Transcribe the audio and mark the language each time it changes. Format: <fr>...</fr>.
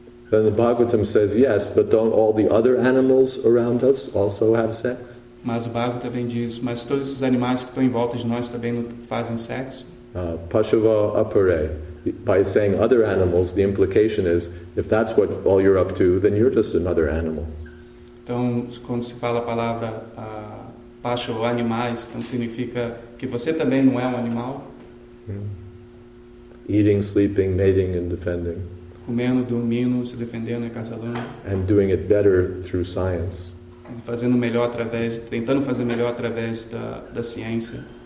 <en>Then the Bhagavatam says, yes, but don't all the other animals around us also have sex?</en> <pt>Mas o Bhagavatam também diz, mas todos esses animais que estão em volta de nós também não fazem sexo?</pt> <sa>Pashava apare.</sa> <en>By saying other animals, the implication is, if that's what all you're up to, then you're just another animal.</en> <pt>Então, quando se fala a palavra pacho ou animais, então significa que você também não é um animal.</pt> <en>Eating, sleeping, mating and defending.</en> <pt>Comendo, dormindo, se defendendo e acasalando.</pt> <en>And doing it better through science.</en> <pt>Fazendo melhor através, tentando fazer melhor através da ciência.</pt>